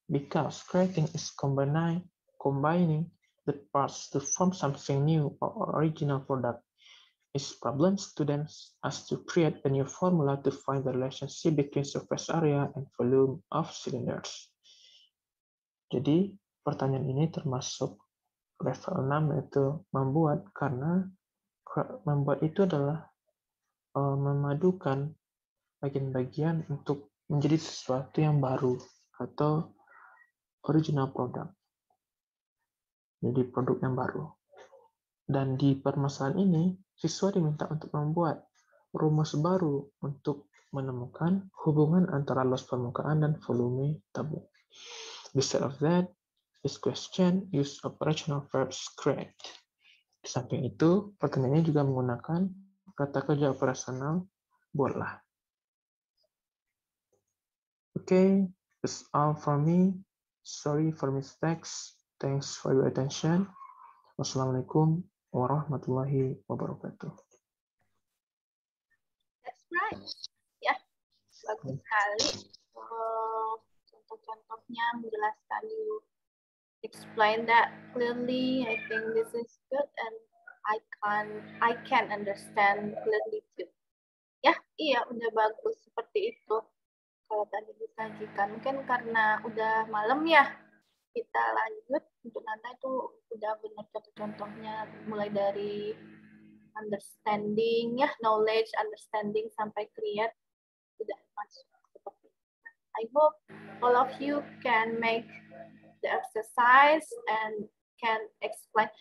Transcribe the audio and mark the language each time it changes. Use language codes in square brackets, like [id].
[en] Because creatine is combining the parts to form something new or original product. Its problem students has to create a new formula to find the relationship between surface area and volume of cylinders. [id] Jadi pertanyaan ini termasuk level 6, yaitu membuat, karena membuat itu adalah memadukan bagian-bagian untuk menjadi sesuatu yang baru atau [en] original product. [id] Jadi produk yang baru. Dan di permasalahan ini, siswa diminta untuk membuat rumus baru untuk menemukan hubungan antara luas permukaan dan volume tabung. [en] Instead of that, this question use operational verbs create. [id] Di samping itu, pertanyaannya juga menggunakan kata kerja operasional buatlah. [en] Okay, that's all for me. Sorry for mistakes. Thanks for your attention. [ar] Wassalamualaikum warahmatullahi wabarakatuh. [en] That's right. [id] Ya, bagus sekali. Contoh-contohnya menjelaskan, [en] you explain that clearly. I think this is good and I can understand clearly too. [id] Ya, iya, udah bagus seperti itu. Kalau tadi disajikan, mungkin karena udah malam ya, kita lanjut untuk nanti itu udah benar contoh-contohnya, mulai dari understanding ya, knowledge, understanding sampai create sudah masuk. [en] Seperti I hope all of you can make the exercise and can explain.